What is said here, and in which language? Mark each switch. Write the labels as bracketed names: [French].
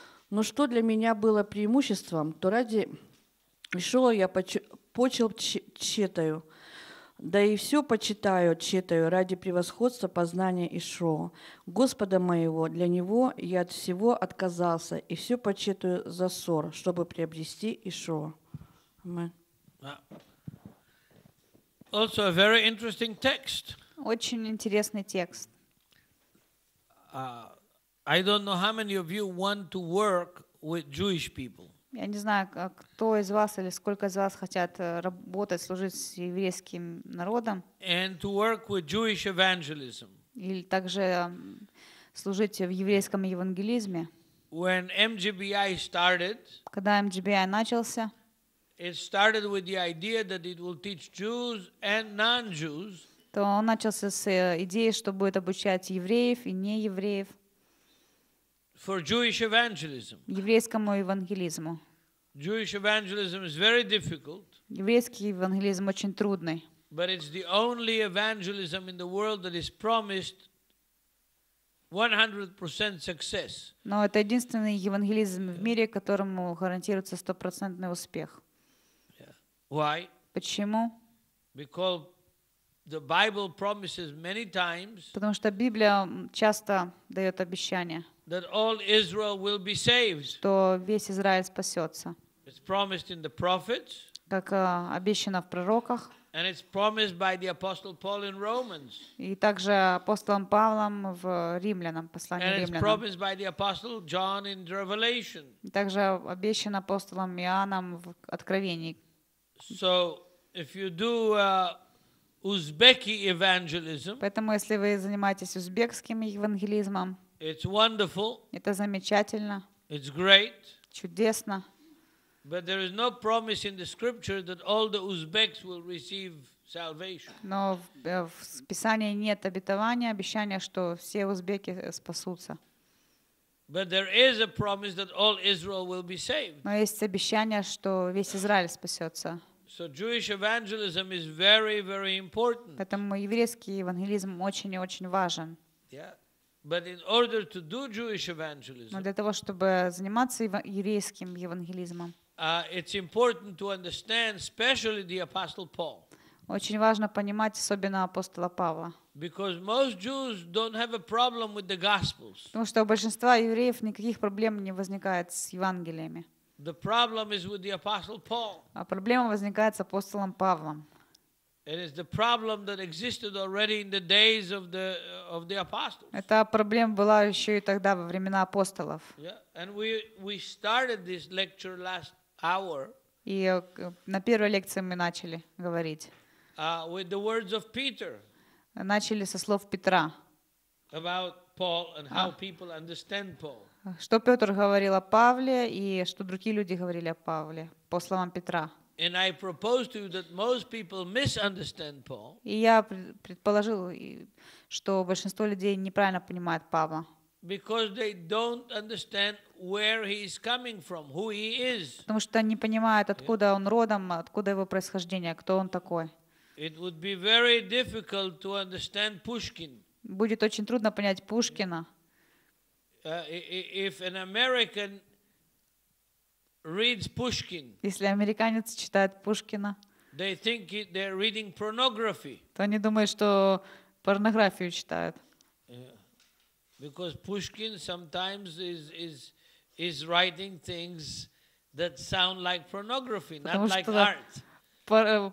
[Russian] Но что для меня было преимуществом, то ради Ишуа я почел тщетаю. Да и все почитаю, читаю ради превосходства познания Ишоу. Господа моего, для него я от всего отказался, и все почитаю за ссор, чтобы приобрести Ишоу. [English] Also a very interesting text. [Russian] Очень интересный текст. [English] I don't know how many of you want to work with Jewish people. [Russian] Я не знаю, кто из вас или сколько из вас хотят работать, служить с еврейским народом. [English] And to work with Jewish evangelism. [Russian] Или также служить в еврейском евангелизме. [English] When MGBI started. [Russian] Когда MGBI начался. [English] It started with the idea that it will teach Jews and non-Jews. [Russian] То он начался с идеи, что будет обучать евреев и неевреев. [English] For Jewish evangelism. [Russian] Еврейскому евангелизму. [English] Jewish evangelism is very difficult. [Russian] Еврейский евангелизм очень трудный. [English] But it's the only evangelism in the world that is promised 100% success. [Russian] Но это единственный евангелизм в мире, которому гарантируется 100% успех. [English] Why? [Russian] Почему? [English] Because the Bible promises many times. [Russian] Потому что Библия часто дает обещания. [English] That all Israel will be saved. [Russian] Что весь Израиль спасется. [English] It's promised in the prophets. [Russian] Как обещано в пророках. [English] And it's promised by the apostle Paul in Romans. [Russian] И также апостолом Павлом в Римлянам, послании Римлянам. [English] And it's promised by the apostle John in Revelation. [Russian] И также обещано апостолом Иоанном в Откровении. [English] So if you do Uzbeki evangelism, [Russian] поэтому если вы занимаетесь узбекским евангелизмом, [English] it's wonderful, [Russian] это замечательно, [English] it's great, [Russian] чудесно, [English] but there is no promise in the scripture that all the Uzbeks will receive salvation. [Russian] Но в Писании нет обетования, обещания, что все узбеки спасутся. [English] But there is a promise that all Israel will be saved. [Russian] Но есть обещание, что весь Израиль спасется. [English] So Jewish evangelism is very, very important. [Russian] Поэтому еврейский евангелизм очень и очень важен. [English] Yeah. But in order to do Jewish evangelism. [Russian] Но для того, чтобы заниматься еврейским евангелизмом. [English] It's important to understand, especially the apostle Paul. [Russian] Очень важно понимать, особенно апостола Павла. [English] Because most Jews don't have a problem with the Gospels. [Russian] Потому что у большинства евреев никаких проблем не возникает с Евангелиями. [English] The problem is with the Apostle Paul. [Russian] А проблема возникает с апостолом Павлом. [English] It is the problem that existed already in the days of the apostles. [Russian] Эта проблема была еще и тогда во времена апостолов. [English] Yeah, and we started this lecture last hour. [Russian] И на первой лекции мы начали говорить. [English] With the words of Peter. [Russian] Начали со слов Петра. [English] About Paul and how people understand Paul. [Russian] Что Петр говорил о Павле и что другие люди говорили о Павле по словам Петра. [English] And I propose to you that most people misunderstand Paul. [Russian] И я предположил, что большинство людей неправильно понимают Павла. [English] Because they don't understand where he is coming from, who he is. [Russian] Потому что они не понимают, откуда он родом, откуда его происхождение, кто он такой. [English] It would be very difficult to understand Pushkin. [Russian] Будет очень трудно понять Пушкина. [English] If an American reads Pushkin. [Russian] Если американец читает Пушкина. [English] They think they're reading pornography. [Russian] То они думают, что порнографию читают. [English] Because Pushkin sometimes is writing things that sound like pornography, not like art.